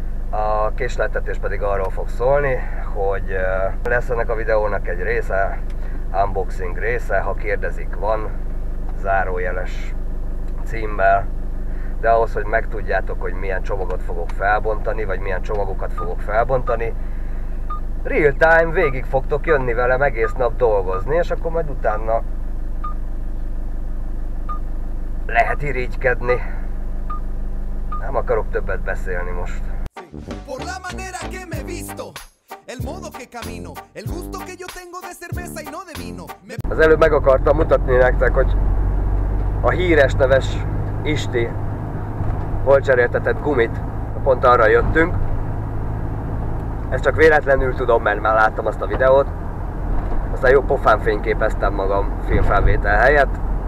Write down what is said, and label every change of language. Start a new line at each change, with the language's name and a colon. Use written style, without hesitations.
Hungarian: A késleltetés pedig arról fog szólni, hogy lesz ennek a videónak egy része, unboxing része, ha kérdezik, van zárójeles címmel, de ahhoz, hogy megtudjátok, hogy milyen csomagot fogok felbontani, vagy milyen csomagokat fogok felbontani, real time végig fogtok jönni velem egész nap dolgozni, és akkor majd utána lehet irigykedni. Nem akarok többet beszélni most.
Spanish: Por la manera que me visto, el modo que camino, el gusto que yo tengo de cerveza y no de vino.
Hungarian: Az előbb meg akartam mutatni nektek, hogy a híres neves Isti hol cseréltetett gumit, pont arra jöttünk. Ezt csak véletlenül tudom, mert már láttam azt a videót. Aztán jó pofán fényképeztem magam filmfelvétel helyett.